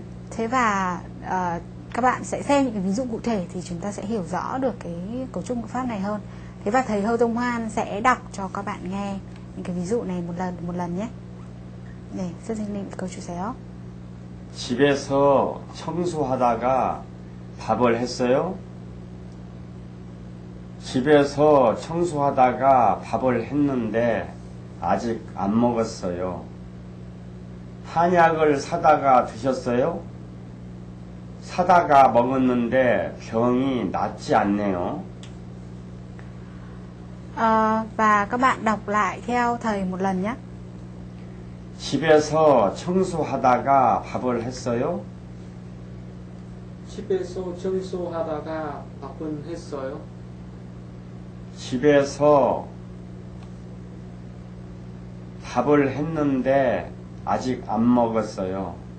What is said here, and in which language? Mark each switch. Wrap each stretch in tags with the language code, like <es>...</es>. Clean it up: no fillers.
<vi>Thế và các bạn sẽ xem những cái ví dụ cụ thể thì chúng ta sẽ hiểu rõ được cái cấu trúc ngữ pháp này hơn. Thế và thầy Hơ Tông Hoan sẽ đọc cho các bạn nghe những cái ví dụ này một lần nhé. Để xin xin lỗi câu chuyện đó.</vi> <ko>집에서 청소하다가 밥을 했어요? 집에서 청소하다가 밥을 했는데 아직 안 먹었어요. 한약을 사다가 드셨어요? 사다가 먹었는데 병이 낫지 않네요.</ko> <vi>Và các bạn đọc lại theo thầy một lần nhé.</vi> <ko>집에서 청소하다가 밥을 했어요? 집에서 청소하다가 밥은 했어요? 집에서 밥을 했는데 아직 안 먹었어요.</ko>